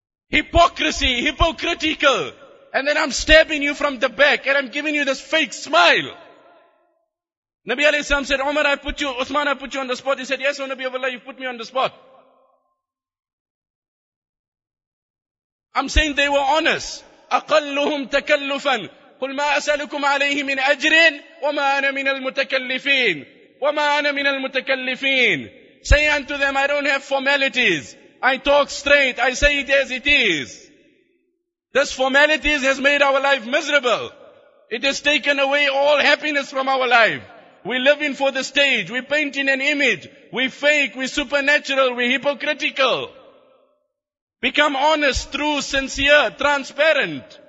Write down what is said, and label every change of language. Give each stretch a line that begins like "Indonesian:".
English: Hypocrisy, hypocritical. And then I'm stabbing you from the back and I'm giving you this fake smile. Nabi alayhi salam said, Umar, I put you, Uthman, I put you on the spot. He said, yes, O Nabi of Allah, you put me on the spot. I'm saying they were honest.
Arabic: أَقَلُّهُمْ تَكَلُّفًا قُلْ مَا أَسَلُكُمْ عَلَيْهِ مِنْ أَجْرٍ وَمَا أَنَا مِنَ الْمُتَكَلِّفِينَ وَمَا أَنَا مِنَ الْمُتَكَلِّفِينَ
English: Say unto them, I don't have formalities. I talk straight. I say it as it is. This formalities has made our life miserable. It has taken away all happiness from our life. We're living for the stage. We're painting an image. We fake. We're supernatural. We're hypocritical. Become honest, true, sincere, transparent.